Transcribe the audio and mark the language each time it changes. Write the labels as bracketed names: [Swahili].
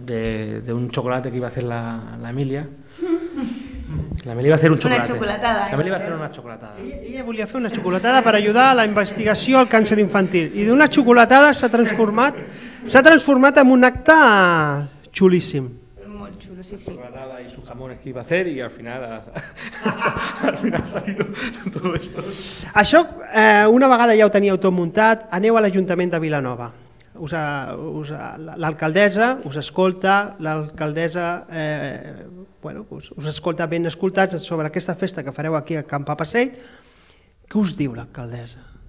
[Spanish] De un chocolate que iba a hacer la Emilia. La Emilia iba a hacer un chocolate. Una chocolatada. La Emilia iba a hacer una chocolatada. [Catalan] Ella volia fer una chocolatada per ajudar a la investigació al càncer infantil. I d'una chocolatada s'ha transformat en un acte xulíssim. Sí, sí. [Spanish] Y sus jamones que iba a hacer y al final ha salido todo esto. [Catalan] Això, una vegada ja ho teníeu tot muntat, aneu a l'Ajuntament de Vilanova. L'alcaldessa us escolta, l'alcaldessa bueno, us escolta ben escoltats sobre aquesta festa que fareu aquí a Can Papaseit. Què us diu l'alcaldessa?